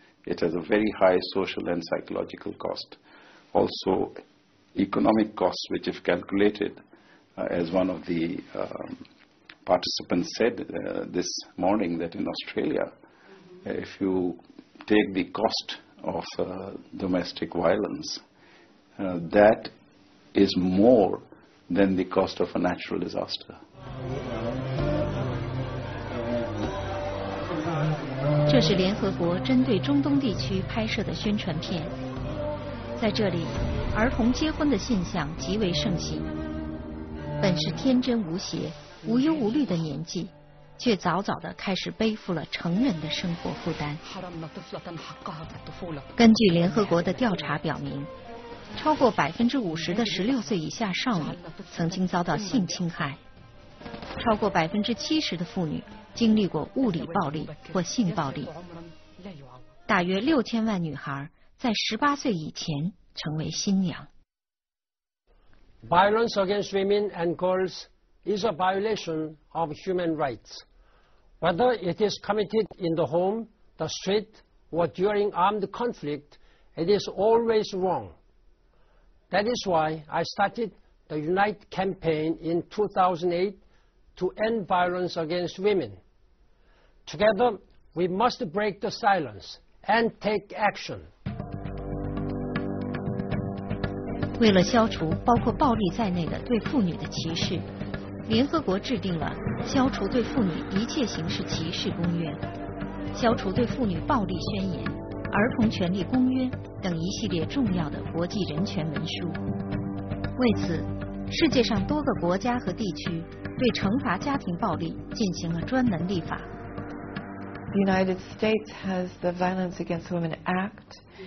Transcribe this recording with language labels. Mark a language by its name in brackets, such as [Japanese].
[English] It has a very high social and psychological cost, also economic costs, which if calculated, as one of the participants said this morning, that in Australia, if you take the cost of domestic violence, that is more than the cost of a natural disaster. [Chinese] 这是联合国针对中东地区拍摄的宣传片。在这里，儿童结婚的现象极为盛行。本是天真无邪、无忧无虑的年纪，却早早地开始背负了成人的生活负担。根据联合国的调查表明，超过50%的16岁以下少女曾经遭到性侵害，超过70%的妇女经历过物理暴力或性暴力，大约6000万女孩在18岁以前成为新娘。 [English] Violence against women and girls is a violation of human rights, whether it is committed in the home, the street, or during armed conflict, it is always wrong. That is why I started the Unite campaign in 2008 to end violence against women. Together, we must break the silence and take action. [Chinese] 为了消除包括暴力在内的对妇女的歧视，联合国制定了《消除对妇女一切形式歧视公约》《消除对妇女暴力宣言》《儿童权利公约》等一系列重要的国际人权文书。为此，世界上多个国家和地区对惩罚家庭暴力进行了专门立法。 [English] United States has the Violence Against Women Act.